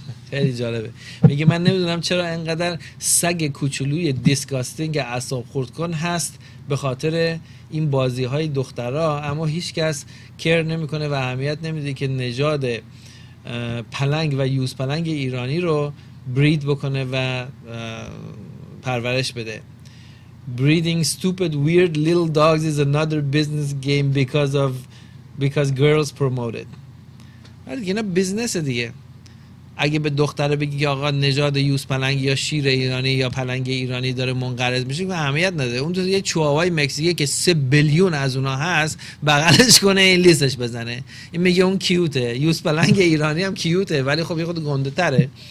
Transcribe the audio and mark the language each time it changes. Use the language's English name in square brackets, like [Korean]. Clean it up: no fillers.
[Persian] خیلی جالبه میگه من نمیدونم چرا انقدر سگ کوچولوی دیسگاستینگ اعصاب خورد کن هست به خاطر این بازی های دخترها، اما هیچ کس کر نمی کنه و اهمیت نمیده که نژاد پلنگ و یوز پلنگ ایرانی رو برید بکنه و پرورش بده. [English] Breeding stupid weird little dogs is another business game because girls promote it. [Persian] ولی اینا بزنسه دیگه. اگه به دختره بگی آقا نژاد یوز پلنگ یا شیر ایرانی یا پلنگ ایرانی داره منقرض میشه و اهمیت نده. اون تو یه چواوای مکزیکیه که 3 بیلیون از اونا هست بغلش کنه این لیستش بزنه. این میگه اون کیوته. یوز پلنگ ایرانی هم کیوته ولی خب یه خود گنده تره.